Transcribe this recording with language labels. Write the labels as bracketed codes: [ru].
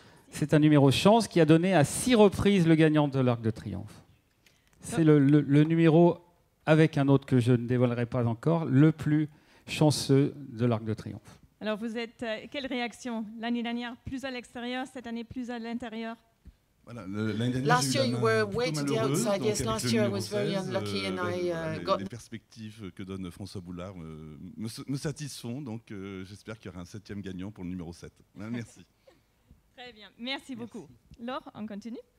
[fr] C'est un numéro chance qui a donné à 6 reprises le gagnant de l'Arc de Triomphe. C'est le numéro, avec un autre que je ne dévoilerai pas encore, le plus chanceux de l'Arc de Triomphe. Alors vous êtes, quelle réaction ? L'année dernière, plus à l'extérieur, cette année, plus à l'intérieur ? Voilà, l'année dernière, [en] last year you were way to the outside. Yes, last year I was very unlucky and I got. [fr] Les perspectives que donne François Boulard me satisfont, donc j'espère qu'il y aura un 7e gagnant pour le numéro 7. Merci. Très bien, merci beaucoup. Laure, on continue.